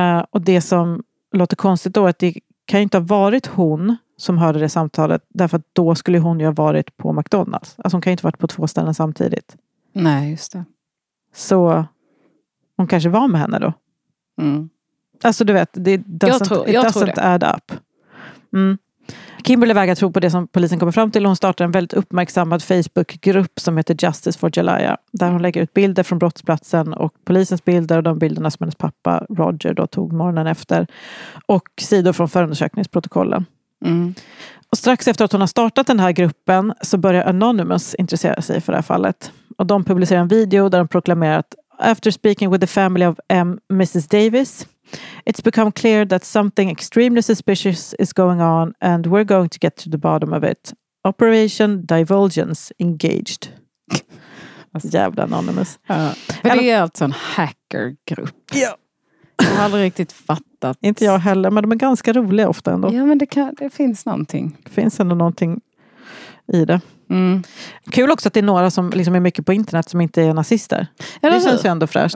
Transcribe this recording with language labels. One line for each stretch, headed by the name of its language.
Swedish: Och det som låter konstigt då är att det kan ju inte ha varit hon som hörde det samtalet, därför att då skulle hon ju ha varit på McDonald's. Alltså hon kan ju inte ha varit på två ställen samtidigt. Nej, just det. Så hon kanske var med henne då. Mm. Alltså du vet,
English: it doesn't add up. Mm.
Swedish: Kimberly vägrar tro på det som polisen kommer fram till. Hon startar en väldigt uppmärksammad Facebookgrupp som heter Justice for Jalaya. Där hon lägger ut bilder från brottsplatsen och polisens bilder och de bilderna som hennes pappa Roger då tog morgonen efter. Och sidor från förundersökningsprotokollen. Mm. Och strax efter att hon har startat den här gruppen så börjar Anonymous intressera sig för det här fallet. Och de publicerar en video där de proklamerar att
English: after speaking with the family of Mrs. Davis, it's become clear that something extremely suspicious is going on and we're going to get to the bottom of it. Operation Divulgence engaged.
Swedish: Alltså, jävla Anonymous. För det är alltså en hackergrupp. Ja. Jag har aldrig riktigt fattat. Inte jag heller, men de är ganska roliga ofta ändå. Ja, men det finns någonting. Det finns ändå någonting i det. Mm. Kul också att det är några som liksom är mycket på internet som inte är nazister. Eller det känns ju ändå fräscht.